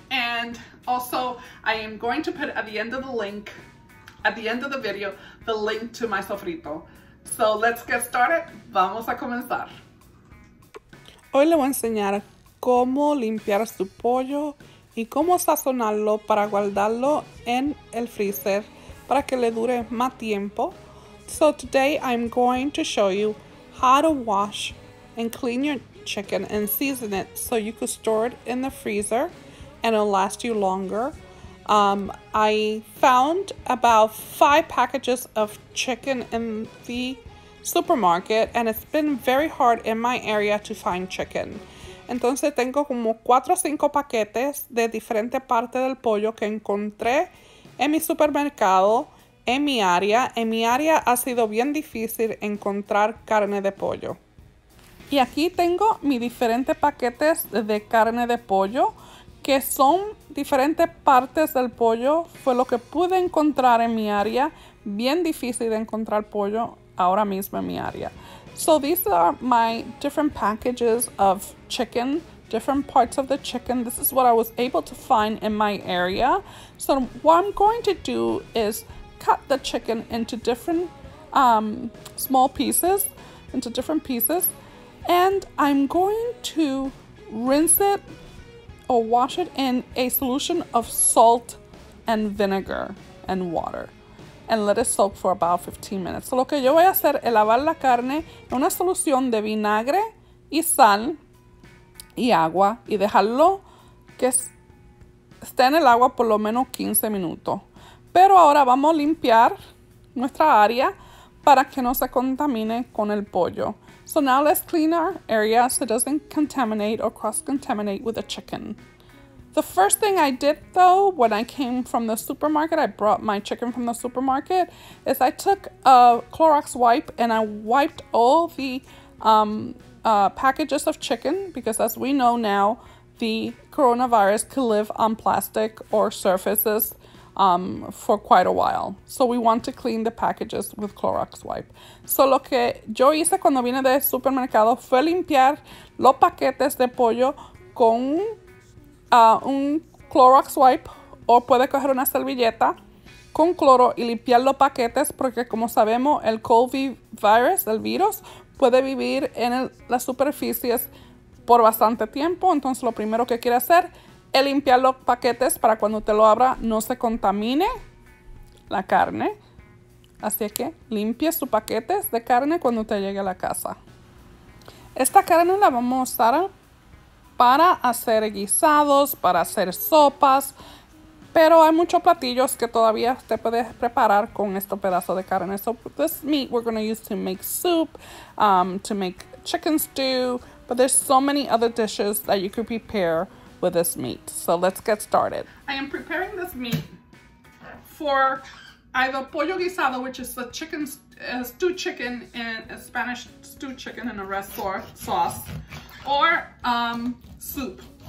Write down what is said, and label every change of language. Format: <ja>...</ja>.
<en>And also I am going to put at the end of the video the link to my sofrito. So let's get started.</en> <es>Vamos a comenzar. Hoy le voy a enseñar cómo limpiar su pollo y cómo sazonarlo para guardarlo en el freezer para que le dure más tiempo.</es> <en>So today I'm going to show you how to wash and clean your chicken and season it so you could store it in the freezer and it'll last you longer. I found about 5 packages of chicken in the supermarket, and it's been very hard in my area to find chicken.</en> <es>Entonces tengo como 4 o 5 paquetes de diferentes partes del pollo que encontré en mi supermercado, en mi área. En mi área ha sido bien difícil encontrar carne de pollo. Y aquí tengo mis diferentes paquetes de carne de pollo, que son diferentes partes del pollo. Fue lo que pude encontrar en mi área. Bien difícil de encontrar pollo ahora mismo en mi área.</es> <en>So these are my different packages of chicken, different parts of the chicken. This is what I was able to find in my area. So what I'm going to do is cut the chicken into different small pieces, into different pieces, and I'm going to rinse it or wash it in a solution of salt and vinegar and water, and let it soak for about 15 minutes.</en> <es>So lo que yo voy a hacer es lavar la carne en una solución de vinagre y sal y agua, y dejarlo que esté en el agua por lo menos 15 minutos. Pero ahora vamos a limpiar nuestra área para que no se contamine con el pollo.</es> <en>So now let's clean our area so it doesn't contaminate or cross-contaminate with the chicken. The first thing I did, though, when I came from the supermarket, I brought my chicken from the supermarket, is I took a Clorox wipe and I wiped all the packages of chicken, because as we know now, the coronavirus could live on plastic or surfaces for quite a while. So we want to clean the packages with Clorox wipe.</en> <es>So lo que yo hice cuando vine de supermercado fue limpiar los paquetes de pollo con un Clorox wipe, o puede coger una servilleta con cloro y limpiar los paquetes, porque como sabemos, el COVID virus, el virus, puede vivir en las superficies por bastante tiempo. Entonces lo primero que quiere hacer es limpiar los paquetes para cuando te lo abra no se contamine la carne. Así que limpie sus paquetes de carne cuando te llegue a la casa. Esta carne la vamos a usar para hacer guisados, para hacer sopas, pero hay muchos platillos que todavía usted puede preparar con este pedazo de carne.</es> <en>So this meat we're going to use to make soup, to make chicken stew, but there's so many other dishes that you could prepare with this meat. So let's get started. I am preparing this meat for either pollo guisado, which is a chicken stew chicken in a Spanish stew chicken in a restaurant sauce, or soup.</en>